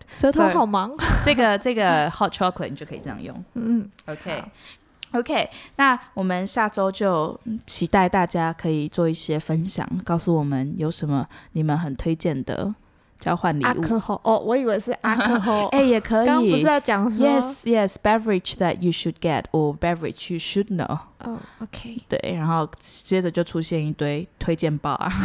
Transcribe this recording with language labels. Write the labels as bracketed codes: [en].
[zh] 舌头好忙。这个 hot chocolate 你就可以这样用。Okay. Okay. 那我们下周就期待大家可以做一些分享，告诉我们有什么你们很推荐的。交换礼物 alcohol 哦，我以为是 alcohol 哎，也可以。刚刚不是在讲说 [en] yes beverage that you should get or beverage you should know 哦、oh, ，OK [zh] 对，然后接着就出现一堆推荐 bar。